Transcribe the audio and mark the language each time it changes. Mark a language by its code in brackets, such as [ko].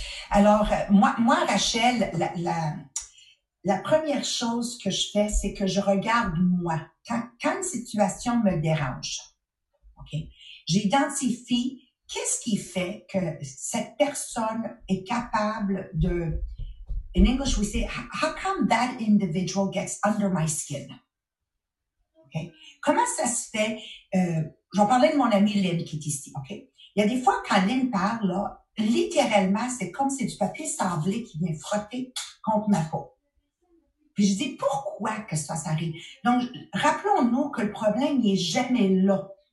[fr] Alors, moi Rachel, la première chose que je fais, c'est que je regarde moi. Quand une situation me dérange, OK, j'identifie qu'est-ce qui fait que cette personne est capable de... [en] In English, we say, how come that individual gets under my skin? [fr] OK. Comment ça se fait... je vais parler de mon amie Lynn qui est ici, OK? Il y a des fois, quand Lynn parle, là, littéralement, c'est comme si c'est du papier sablé qui vient frotter contre ma peau. Puis je dis, pourquoi que ça s'arrive? Donc, rappelons-nous que le problème n'est jamais là.